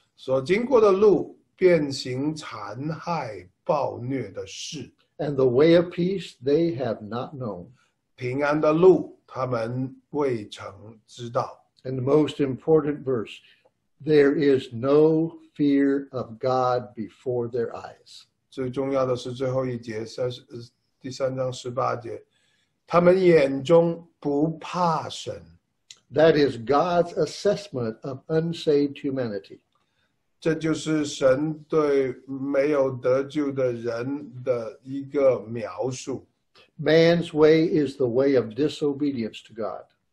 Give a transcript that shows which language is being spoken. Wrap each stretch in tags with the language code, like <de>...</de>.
<zh>所经过的路变形残害暴虐的事。</zh> <en>And the way of peace they have not known.</en> <zh>平安的路他们未曾知道。</zh> <en>And the most important verse, there is no fear of God before their eyes.</en> <zh>最重要的是最后一节，第三章十八节。他们眼中不怕神。</zh> <en>That is God's assessment of unsaved humanity.</en> <zh>这就是神对没有得救的人的一个描述。</zh> <en>Man's way is the way of disobedience to God.</en>